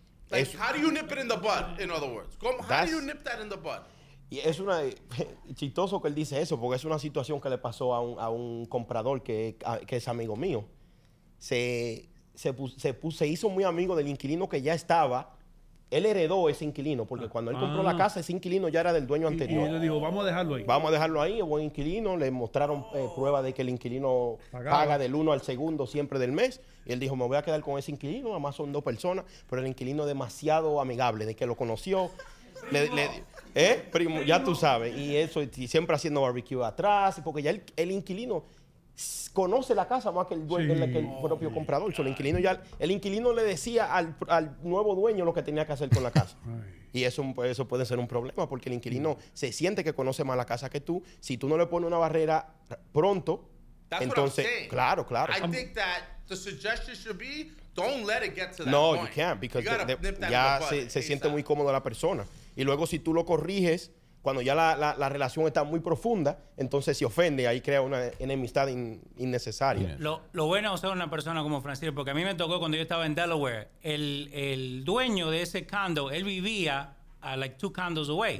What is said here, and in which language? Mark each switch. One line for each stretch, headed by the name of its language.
English: Like, how do you nip it in the bud, in other words? How do you nip that in the bud?
Spanish: Y es una chistoso que él dice eso, porque es una situación que le pasó a un comprador que es amigo mío. Se hizo muy amigo del inquilino que ya estaba. Él heredó ese inquilino, porque cuando él compró la casa, ese inquilino ya era del dueño anterior. Y él dijo, vamos a dejarlo ahí. Vamos a dejarlo ahí, buen inquilino. Le mostraron prueba de que el inquilino paga del uno al segundo siempre del mes. Y él dijo, me voy a quedar con ese inquilino, además son dos personas. Pero el inquilino es demasiado amigable, de que lo conoció. Primo, ya tú sabes. Y eso, y siempre haciendo barbecue atrás, porque ya el inquilino conoce la casa más que el dueño, sí, que el propio comprador. So, el inquilino le decía al nuevo dueño lo que tenía que hacer con la casa. Y eso puede ser un problema, porque el inquilino se siente que conoce más la casa que tú. Si tú no le pones una barrera pronto,
English: that's
Spanish: entonces, claro.
English: I think that the suggestion should be, don't let it get to that
Spanish: no,
English: point. You can't, because
Spanish: ya se siente muy cómodo la persona. Y luego si tú lo corriges, cuando ya la relación está muy profunda, entonces se ofende, ahí crea una enemistad innecesaria. Yes. Lo bueno es ser una persona como Francisco, porque a mí me tocó cuando yo estaba en Delaware, el dueño de ese condo, él vivía
English: like two condos away.